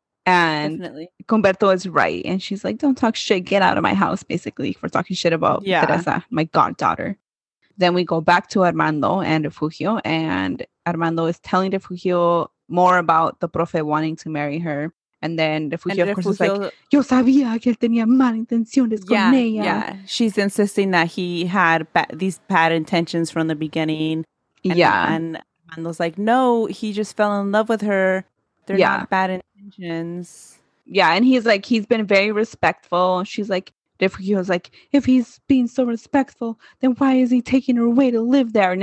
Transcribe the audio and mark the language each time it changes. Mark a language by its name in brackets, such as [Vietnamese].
[English] And Cumberto is right. And she's like, don't talk shit. Get out of my house, basically, for talking shit about Teresa, my goddaughter. Then we go back to Armando and Refugio. And Armando is telling Refugio more about the profe wanting to marry her. And then Refugio, of course, is like, [Spanish] yo sabía que él tenía mal intenciones con ella. [English] Yeah, she's insisting that he had these bad intentions from the beginning. And Armando's like, no, he just fell in love with her. They're not bad intentions. Yeah, and he's like, he's been very respectful. She's like, he was like, if he's being so respectful, then why is he taking her away to live there?